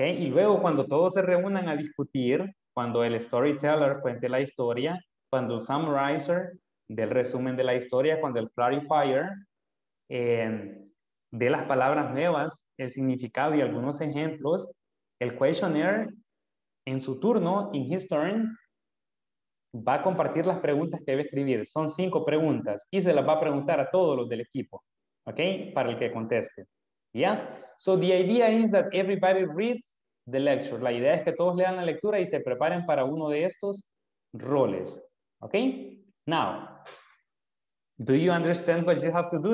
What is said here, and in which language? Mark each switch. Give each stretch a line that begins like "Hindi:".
Spanish: Y luego cuando todos se reúnan a discutir, cuando el storyteller cuente la historia, cuando el summarizer del resumen de la historia, cuando el clarifier dé las palabras nuevas, el significado y algunos ejemplos, el questionnaire en su turno,
English: in his turn,
Spanish: va a compartir las preguntas que debe escribir. Son 5 preguntas y se las va a preguntar a todos los del equipo. Okay, para el que conteste. Yeah.
English: So the idea is that everybody reads the lecture.
Spanish: La idea es que todos lean la lectura y se preparen para uno de estos roles.
English: Okay. Now, do you understand what you have to do?